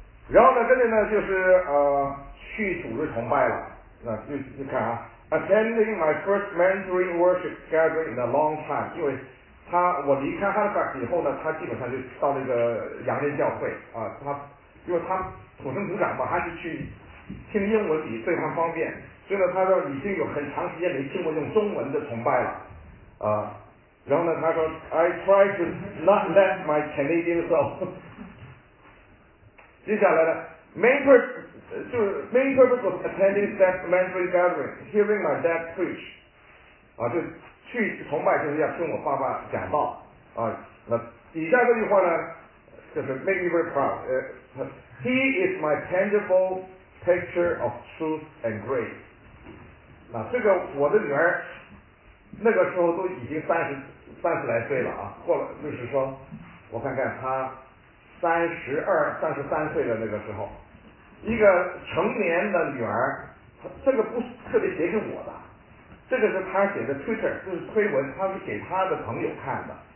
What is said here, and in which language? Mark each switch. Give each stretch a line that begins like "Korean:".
Chinese: 然后呢，跟着呢就是去组织崇拜了，那就看啊 ，
English: attending my first Mandarin worship gathering in a long time，
Chinese: 因为我离开 Halifax 以后呢，他基本上就到那个洋人教会啊，他因为他土生土长嘛，还是去听英文比对方方便，所以呢，他说已经有很长时间没听过用中文的崇拜了，然后呢，他说 ，
English: I try to not let my Canadian soul。
Chinese: 接下来呢
English: ，main purpose of attending that Mandarin gathering, hearing my dad preach,
Chinese: 啊，就去崇拜就是要跟我爸爸讲道啊。那底下这句话呢，就是
English: make me very proud。 He is my tangible picture of truth and grace。
Chinese: 那这个我的女儿那个时候都已经三十来岁了啊，过了就是说，我看看她32、33岁的那个时候，一个成年的女儿，这个不是特别写给我的，这个是她写的 Twitter， 就是推文，她是给她的朋友看的。